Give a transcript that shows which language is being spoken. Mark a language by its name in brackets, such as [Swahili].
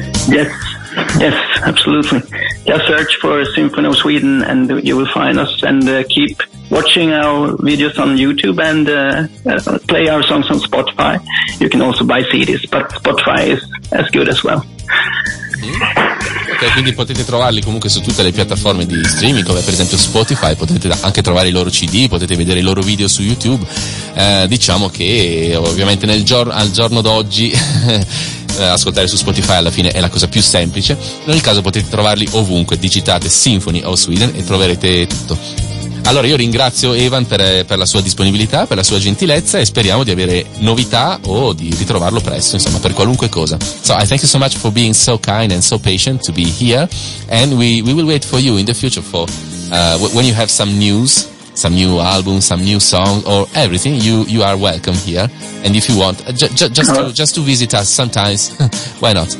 [English] Yes, absolutely. Just search for Symphony of Sweden and you will find us, and keep watching our videos on YouTube, and play our songs on Spotify. You can also buy CDs, but Spotify is as good as well. [Italian] Ok, quindi potete trovarli comunque su tutte le piattaforme di streaming, come per esempio Spotify, potete anche trovare i loro CD, potete vedere i loro video su YouTube. Diciamo che ovviamente al giorno d'oggi ascoltare su Spotify alla fine è la cosa più semplice. In ogni caso potete trovarli ovunque, digitate Symphony of Sweden e troverete tutto. Allora io ringrazio Evan per la sua disponibilità, per la sua gentilezza, e speriamo di avere novità o di ritrovarlo presto, insomma, per qualunque cosa. [English] So I thank you so much for being so kind and so patient to be here, and we will wait for you in the future for when you have some news, some new album, some new song or everything, you are welcome here, and if you want just to visit us sometimes, why not?